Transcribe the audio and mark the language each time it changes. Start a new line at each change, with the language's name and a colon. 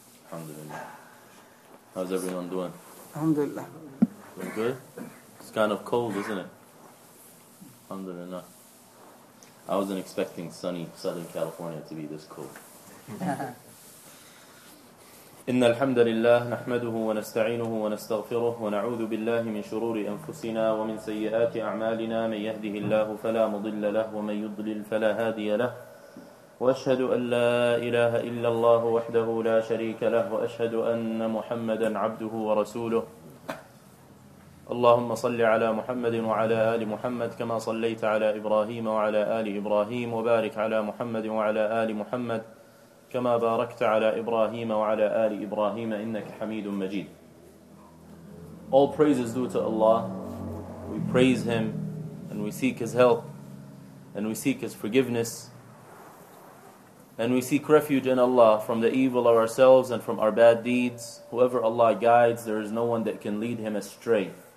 English: Alhamdulillah. How's everyone doing? Alhamdulillah. Doing good? It's kind of cold, isn't it? Alhamdulillah. I wasn't expecting sunny Southern California to be this cold.
Arabic: إن الحمد لله نحمده ونستعينه ونستغفره ونعوذ بالله من شرور أنفسنا ومن سيئات أعمالنا من يهده الله فلا مضل له ومن يضلل فلا هادي له وأشهد أن لا إله إلا الله وحده لا شريك له وأشهد أن محمدا عبده ورسوله اللهم صل على محمد وعلى آل محمد كما صليت على إبراهيم وعلى آل إبراهيم وبارك على محمد وعلى آل محمد كما باركت على إبراهيم وعلى آل إبراهيم إنك حميد مجيد.
English: All praise is due to Allah. We praise Him and we seek His help and we seek His forgiveness and we seek refuge in Allah from the evil of ourselves and from our bad deeds. Whoever Allah guides, there is no one that can lead him astray.